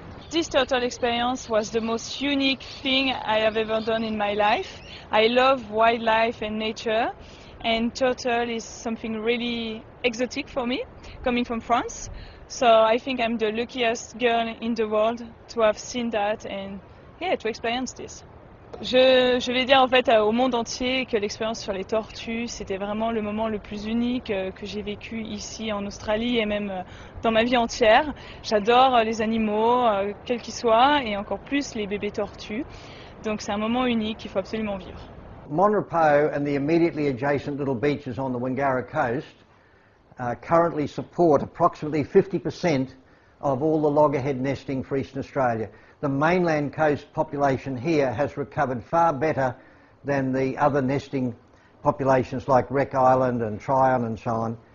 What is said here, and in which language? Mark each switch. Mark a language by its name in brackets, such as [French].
[English] This turtle experience was the most unique thing I have ever done in my life. I love wildlife and nature, and turtle is something really exotic for me, coming from France. So I think I'm the luckiest girl in the world to have seen that and yeah, to experience this. [French] Je vais dire en fait au monde entier que l'expérience sur les tortues, c'était vraiment le moment le plus unique que j'ai vécu ici en Australie et même dans ma vie entière. J'adore les animaux, quels qu'ils soient, et encore plus les bébés tortues. Donc c'est un moment unique qu'il faut absolument vivre. [English] Mon Repos and the immediately adjacent little beaches on the Wangara coast currently support approximately 50% of all the loggerhead nesting for Eastern Australia. The mainland coast population here has recovered far better than the other nesting populations like Wreck Island and Tryon and so on.